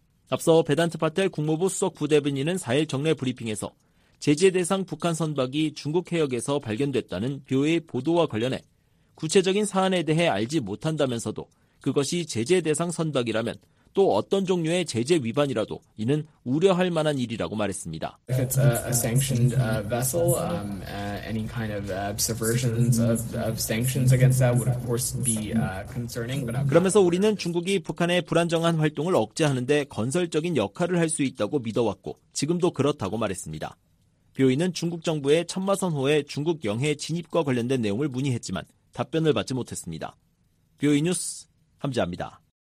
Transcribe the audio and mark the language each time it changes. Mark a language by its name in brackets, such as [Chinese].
[Korean] 앞서 베단트 파텔 국무부 수석 부대변인은 4일 정례 브리핑에서 제재 대상 북한 선박이 중국 해역에서 발견됐다는 BOA 보도와 관련해 구체적인 사안에 대해 알지 못한다면서도 그것이 제재 대상 선박이라면 또 어떤 종류의 제재 위반이라도 이는 우려할 만한 일이라고 말했습니다. [English] If it's a sanctioned vessel, any kind of subversions of sanctions against that would of course be concerning. [Korean] 그러면서 우리는 중국이 북한의 불안정한 활동을 억제하는 데 건설적인 역할을 할 수 있다고 믿어왔고 지금도 그렇다고 말했습니다. 뷰이는 중국 정부의 천마선호의 중국 영해 진입과 관련된 내용을 문의했지만 답변을 받지 못했습니다. 뷰이 뉴스 함지아입니다.